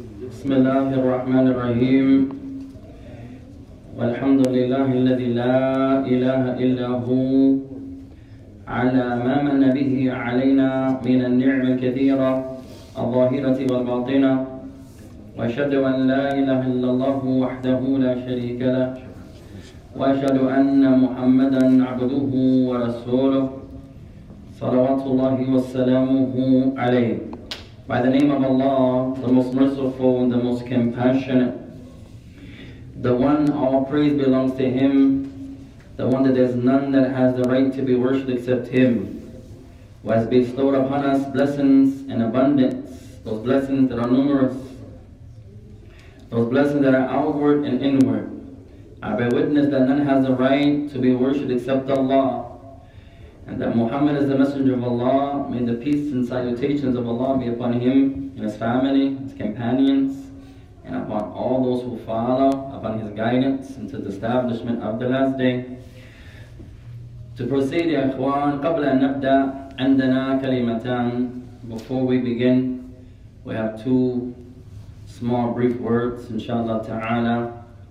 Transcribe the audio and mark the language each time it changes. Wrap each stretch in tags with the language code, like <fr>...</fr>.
<ar>بسم الله الرحمن الرحيم والحمد لله الذي لا إله إلا هو على ما من به علينا من النعم الكثيرة الظاهرة والباطنة وأشهد أن لا إله إلا الله وحده لا شريك له وأشهد أن محمدا عبده ورسوله صلوات الله وسلامه عليه.</ar> <en>By the name of Allah, the most merciful and the most compassionate, the one all praise belongs to Him, the one that there's none that has the right to be worshipped except Him, who has bestowed upon us blessings in abundance, those blessings that are numerous, those blessings that are outward and inward. I bear witness that none has the right to be worshipped except Allah, and that Muhammad is the Messenger of Allah. May the peace and salutations of Allah be upon him and his family, his companions, and upon all those who follow, upon his guidance into the establishment of the last day. To proceed, ya ikhwan,</en> <ar>قبل أن نبدأ عندنا كلمتان.</ar> <en>Before we begin, we have two small brief words, inshallah ta'ala.</en>